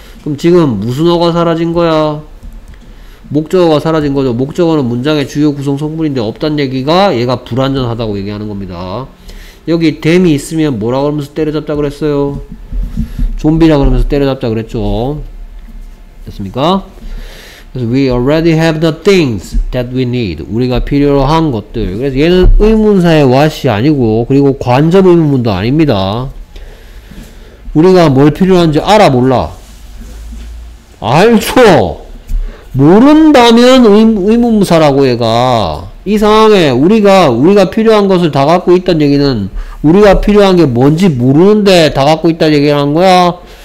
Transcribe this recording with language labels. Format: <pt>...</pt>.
<ko>그럼 지금 무슨 어가 사라진 거야? 목적어가 사라진 거죠. 목적어는 문장의 주요 구성 성분인데 없단 얘기가 얘가 불완전하다고 얘기하는 겁니다. 여기 them이 있으면 뭐라 그러면서 때려잡자 그랬어요? 좀비라 그러면서 때려잡자 그랬죠. 됐습니까?</ko> <en>We already have the things that we need.</en> <ko>우리가 필요로 한 것들. 그래서 얘는 의문사의 what이 아니고 그리고 관접 의문문도 아닙니다. 우리가 뭘 필요한지 알아 몰라? 알죠. 모른다면 의문사라고 얘가. 이 상황에 우리가 필요한 것을 다 갖고 있다는 얘기는 우리가 필요한 게 뭔지 모르는데 다 갖고 있다는 얘기를 한 거야.</ko>